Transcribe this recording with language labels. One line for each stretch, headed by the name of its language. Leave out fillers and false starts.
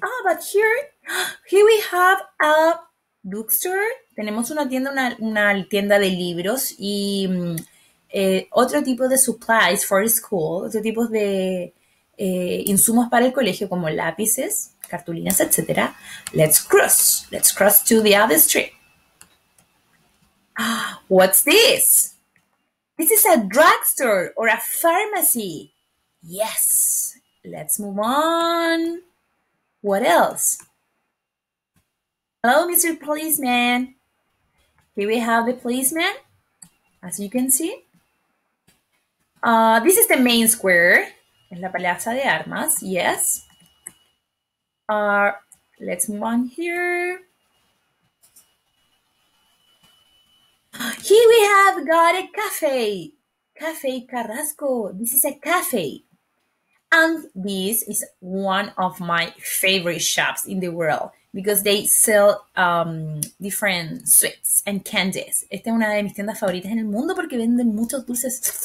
English: Ah, oh, but here we have a bookstore.
Spanish: Tenemos una tienda, una tienda de libros y otro tipo de
English: supplies for school,
Spanish: otro tipo de insumos para el colegio como lápices, cartulinas, etc.
English: Let's cross to the other street. What's this? This is a drugstore or a pharmacy. Yes, let's move on. What else? Hello, Mr. Policeman. Here we have the policeman, as you can see. This is the main square.
Spanish: Es la Plaza de Armas,
English: yes. Let's move on here. Here we have got a cafe. Cafe Carrasco. This is a cafe. And this is one of my favorite shops in the world. Because they sell different sweets and candies.
Spanish: Esta es una de mis tiendas favoritas en el mundo porque venden muchos dulces.